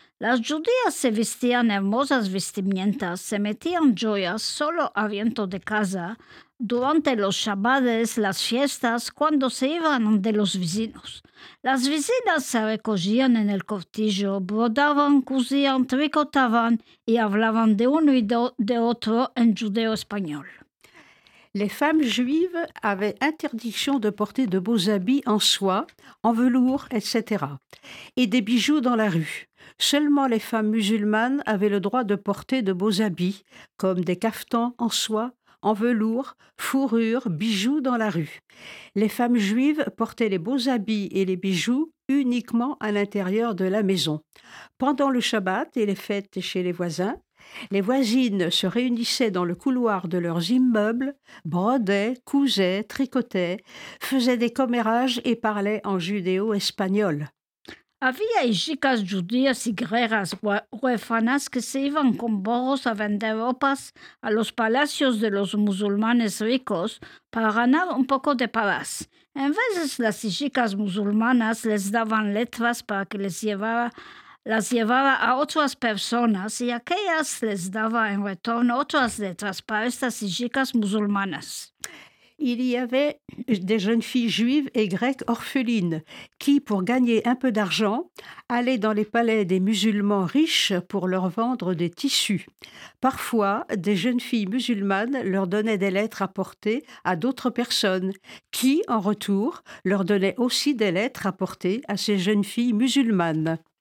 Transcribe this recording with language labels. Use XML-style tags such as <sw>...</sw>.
<lad>Las judías se vestían hermosas vestimientas, se metían joyas solo adentro de casa, durante los shabbades, las fiestas, cuando se iban de los vecinos. Las vecinas se recogían en el cortijo, brodaban, cosían, tricotaban y hablaban de uno y de otro en judeo-español.</lad> <fr>Les femmes juives avaient interdiction de porter de beaux habits en soie, en velours, etc. et des bijoux dans la rue. Seulement les femmes musulmanes avaient le droit de porter de beaux habits, comme des caftans en soie, en velours, fourrure, bijoux dans la rue. Les femmes juives portaient les beaux habits et les bijoux uniquement à l'intérieur de la maison. Pendant le Shabbat et les fêtes chez les voisins, les voisines se réunissaient dans le couloir de leurs immeubles, brodaient, cousaient, tricotaient, faisaient des commérages et parlaient en judéo-espagnol.</fr> <lad>Había chicas judías y griegas huérfanas que se iban con borros a vender ropas a los palacios de los musulmanes ricos para ganar un poco de paz. En veces las chicas musulmanas les daban letras para que las llevara a otras personas y aquellas les daban en retorno otras letras para estas chicas musulmanas.</lad> <fr>Il y avait des jeunes filles juives et grecques orphelines qui, pour gagner un peu d'argent, allaient dans les palais des musulmans riches pour leur vendre des tissus. Parfois, des jeunes filles musulmanes leur donnaient des lettres à porter à d'autres personnes qui, en retour, leur donnaient aussi des lettres à porter à ces jeunes filles musulmanes.</fr>